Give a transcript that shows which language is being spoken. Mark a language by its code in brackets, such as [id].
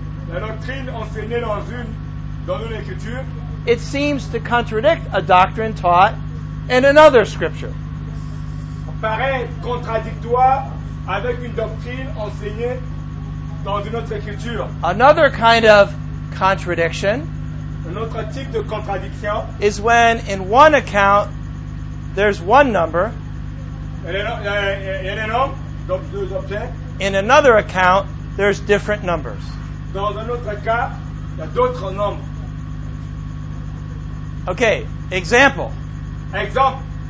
[fr] la doctrine enseignée dans une écriture, [en] it seems to contradict a doctrine taught in another scripture. [fr] Paraît contradictoire avec une doctrine enseignée dans une autre écriture. [en] Another kind of contradiction, [fr] un autre type de contradiction, [en] is when in one account there's one number, [fr] il y a un nombre, donc deux objets. [en] In another account, there's different numbers. [fr] Dans un autre cas, il y a d'autres nombres. [en] Okay, example. [fr] Exemple.